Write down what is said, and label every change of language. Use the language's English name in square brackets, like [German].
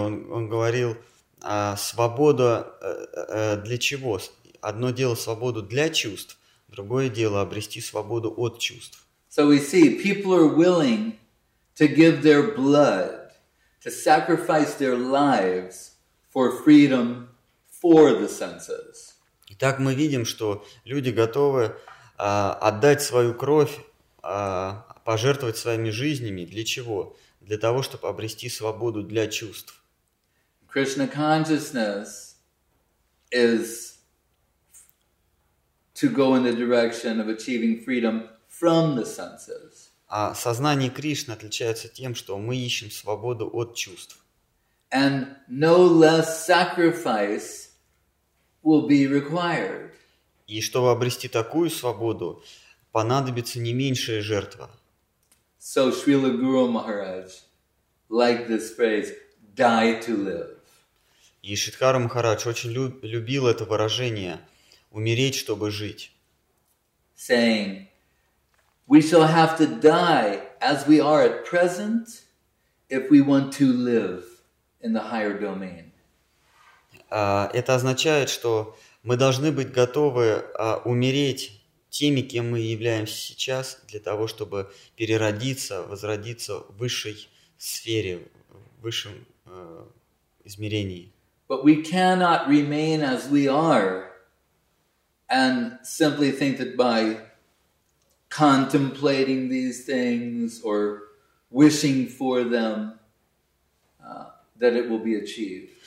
[Russian] Он говорил, свобода для чего? Одно дело свободу для чувств, другое дело обрести свободу от чувств. [English] So we see people are willing to give their blood, to sacrifice their lives for freedom for the senses. [Russian] Итак, мы видим, что люди готовы отдать свою кровь, пожертвовать своими жизнями. Для чего? Для того, чтобы обрести свободу для чувств. [English] Krishna consciousness is to go in the direction of achieving freedom from the senses. [Russian] А сознание Кришны отличается тем, что мы ищем свободу от чувств. [English] And no less sacrifice will be required. [Russian] И чтобы обрести такую свободу, понадобится не меньшая жертва. [English] So Srila Guru Maharaj liked this phrase, die to live. [Russian] И Шридхара Махарадж очень любил это выражение, умереть, чтобы жить. [English] Saying, we shall have to die as we are at present, if we want to live in the higher domain. [Russian] Это означает, что мы должны быть готовы умереть теми, кем мы являемся сейчас, для того, чтобы переродиться, возродиться в высшей сфере, в высшем измерении. [English] But we cannot remain as we are and simply think that by contemplating these things or wishing for them, that it will be achieved.